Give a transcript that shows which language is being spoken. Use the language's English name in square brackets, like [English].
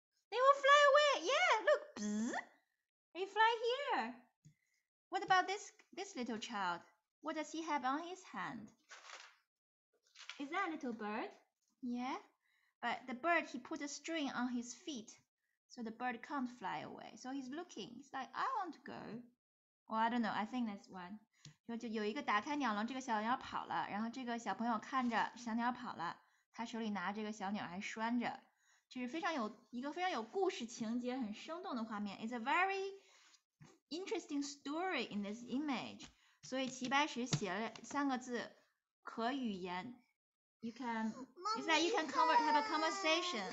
[English] They will fly away. Yeah, look, they fly here. What about this little child? What does he have on his hand? Is that a little bird? Yeah, but the bird, he put a string on his feet, so the bird can't fly away. So he's looking, he's like, I want to go. Oh, I don't know. I think that's one. [Chinese] 就有一个打开鸟笼，这个小鸟跑了，然后这个小朋友看着小鸟跑了，他手里拿这个小鸟还拴着，就是非常有一个非常有故事情节、很生动的画面。 [English] It's a very interesting story in this image. [Chinese] 所以齐白石写了三个字，可语言。 [English] You can, it's like you can convert, have a conversation.